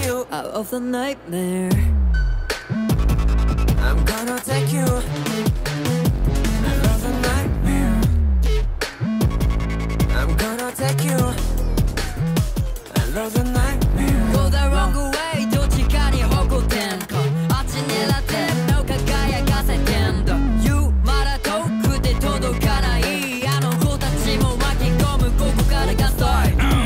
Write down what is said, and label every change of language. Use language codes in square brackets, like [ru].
[en] Out of the nightmare, I'm gonna take you. Out of the nightmare, I'm gonna take you. Out of the nightmare. Go the wrong way, [ja] どっちかに方向転換。あっち狙って、目を輝かせてんだ。 You まだ遠くて届かない。あの子たちも巻き込む、ここからがストライク。